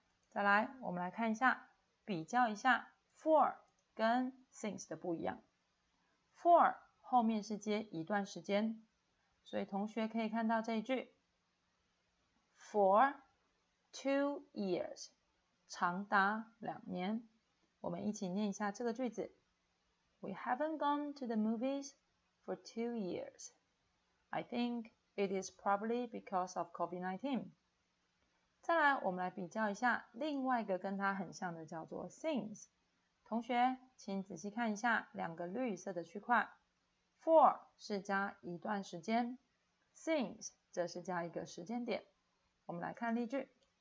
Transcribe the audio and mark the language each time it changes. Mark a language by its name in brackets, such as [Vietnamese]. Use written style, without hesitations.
[Chinese] 再来，我们来看一下，比较一下 for 跟 since 的不一样。 for 后面是接一段时间，所以同学可以看到这一句 [English] For 2 years， [Chinese] 长达两年。我们一起念一下这个句子。 [English] We haven't gone to the movies for 2 years. I think it is probably because of COVID-19. [Chinese] 再来，我们来比较一下另外一个跟它很像的，叫做 since。同学，请仔细看一下两个绿色的区块。 For 是加一段时间 ，since 则是加一个时间点。我们来看例句。